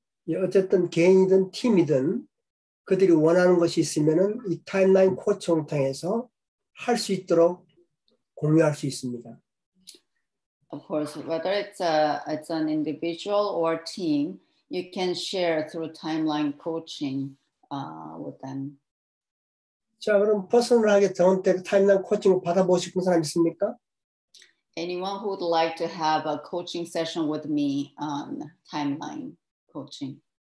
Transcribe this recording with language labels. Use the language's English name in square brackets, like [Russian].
[Korean] 예, 어쨌든 개인이든 팀이든 그들이 원하는 것이 있으면은 이 타임라인 코칭 통해서 할 수 있도록 공유할 수 있습니다. [English] Of course, whether it's an individual or team, you can share through timeline coaching. With them. [Korean] 자, 그럼 퍼스널하게 저한테 타임라인 코칭을 받아보고 싶은 사람 있습니까? [English] Anyone who would like to have a coaching session with me on timeline coaching?